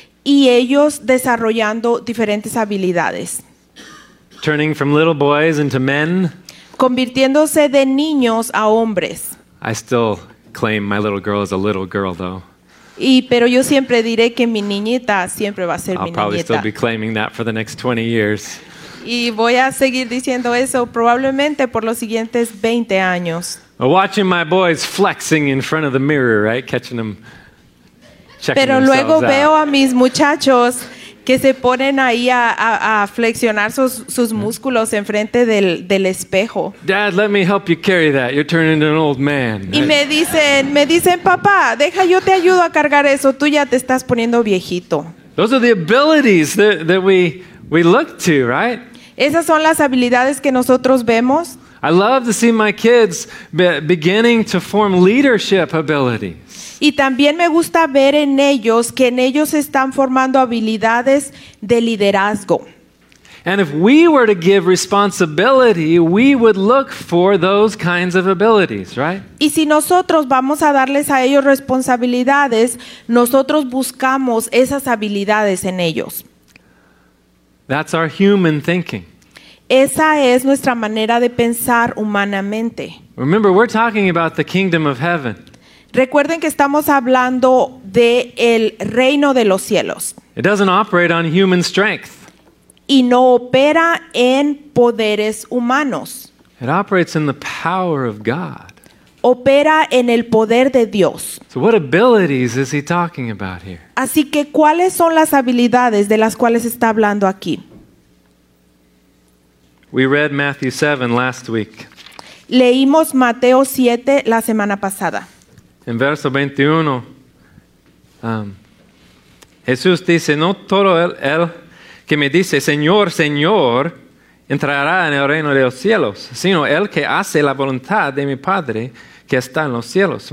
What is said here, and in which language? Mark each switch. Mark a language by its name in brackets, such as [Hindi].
[Spanish] Y ellos desarrollando diferentes habilidades. [English] Turning from little boys into men. [Spanish] Convirtiéndose de niños a hombres. [English] I still claim my little girl is a little girl, though. [Spanish] Pero yo siempre diré que mi niñita siempre va a ser mi niñita. [English] I'll probably still be claiming that for the next 20 years. [Spanish] Y voy a seguir diciendo eso probablemente por los siguientes 20 años. [English] Watching my boys flexing in front of the mirror, right? Catching them checking themselves out. [Spanish] Pero luego veo a mis muchachos que se ponen ahí a flexionar sus músculos enfrente del espejo. [English] Dad, let me help you carry that. You're turning into an old man. [Spanish] Y me dicen, papá, deja yo te ayudo a cargar eso. Tú ya te estás poniendo viejito. [English] Those are the abilities that we look to, right? [Spanish] Esas son las habilidades que nosotros vemos. [English] I love to see my kids beginning to form leadership abilities. [Spanish] Y también me gusta ver en ellos que en ellos están formando habilidades de liderazgo. [English] And if we were to give responsibility, we would look for those kinds of abilities, right? [Spanish] Y si nosotros vamos a darles a ellos responsabilidades, nosotros buscamos esas habilidades en ellos. [English] That's our human thinking. [Spanish] Esa es nuestra manera de pensar humanamente. [English] Remember, we're talking about the kingdom of heaven. [Spanish] Recuerden que estamos hablando de el reino de los cielos. [English] It doesn't operate on human strength. [Spanish] Y no opera en poderes humanos. [English] It operates in the power of God. [Spanish] Opera en el poder de Dios. [English] So what abilities is he talking about here? [Spanish] Así que, ¿cuáles son las habilidades de las cuales está hablando aquí? [English] We read Matthew 7 last week. [Spanish] Leímos Mateo 7 la semana pasada. En verso 21, Jesús dice, no todo el que me dice, Señor, Señor, entrará en el reino de los cielos, sino el que hace la voluntad de mi Padre que está en los cielos.